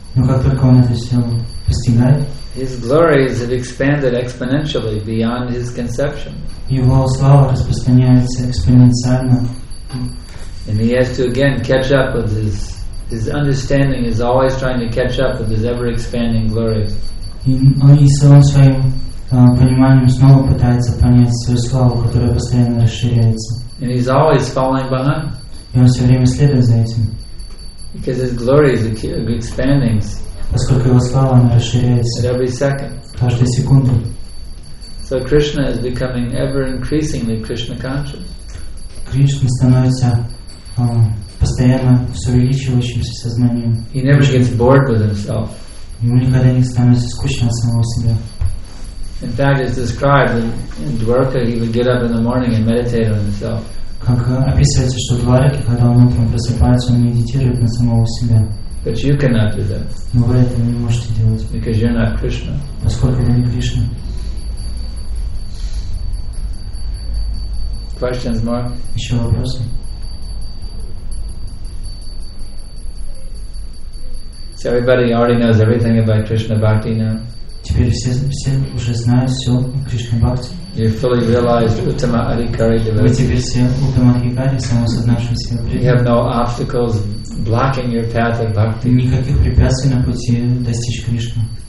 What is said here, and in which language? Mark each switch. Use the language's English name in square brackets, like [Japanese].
[Russian] но как только он это все постигает, [English] his glories have expanded exponentially beyond his conception. [Russian] Его слава распространяется экспоненциально. [English] And he has to again catch up with his understanding is always trying to catch up with his ever expanding glories. [Russian] Он и своим пониманием снова пытается понять свою славу, которая постоянно расширяется. [English] And he's always falling behind. [Russian] И он все время следует за этим. [English] Because his glories are expanding. [Russian] Поскольку его слава она расширяется каждой секунды. [English] So Krishna is becoming ever increasingly Krishna conscious. [Russian] Кришна становится постоянно все увеличивающимся сознанием. [English] He never gets bored with himself. [Russian] Ему никогда не становится скучно от самого себя. [English] In fact, it's described that in Dwarka he would get up in the morning and meditate on himself. [Russian] Как описывается, что в Двараке, когда он утром просыпается, он медитирует на самого себя. [English] But you cannot do that. [Russian] Но вы этого не можете делать. [English] Because you're not Krishna. [Russian] Поскольку вы не Кришна. [English] Questions more? [Russian] Еще вопросы? [English] So everybody already knows everything about Krishna Bhakti now. [Russian] Теперь все уже знают все о Кришне Бхакти. [English] You fully realized Uttama Adhikari Devotee. [Russian] Вы теперь все Uttama Adhikari, самосознавшим себя. [English] You have no obstacles blocking your path of bhakti. [Russian] Никаких препятствий на пути достичь Кришны.